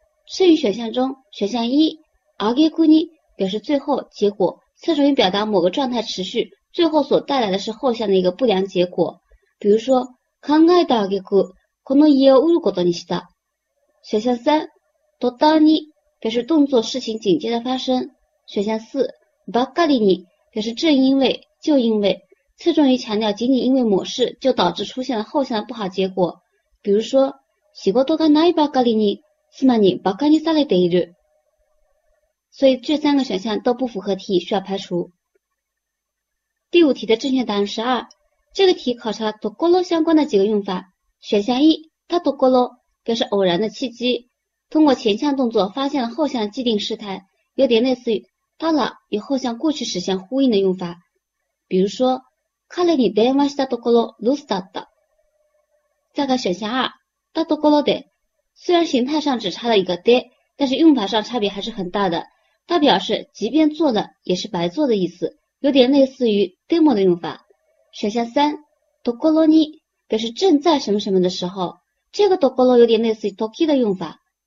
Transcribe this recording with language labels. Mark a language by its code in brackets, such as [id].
[zh] 剩余选项中选项一，あげくに表示最后结果，侧重于表达某个状态持续最后所带来的是后项的一个不良结果，比如说 [ja] 考えたあげくこの家を売ることにした。 [zh] 选项三，とたんに表示动作事情紧接着发生。选项四，ばっかりに表示正因为就因为，侧重于强调仅仅因为某事就导致出现了后项的不好结果，比如说 [ja] 仕事がないばっかりにつまりバカにされている。 [zh] 所以这三个选项都不符合题意，需要排除。第五题的正确答案是二，这个题考察ところ相关的几个用法。选项一，たところ表示偶然的契机，通过前项动作发现了后项既定事态，有点类似于たら与后项过去实现呼应的用法。 [ja] 比如说彼に電話したところ留守だった。 [zh] 再看选项二，たところで虽然形态上只差了一个爹，但是用法上差别还是很大的，它表示即便做了也是白做的意思，有点类似于でも的用法。选项三，ところに表示正在什么什么的时候，这个ところ有点类似于時的用法。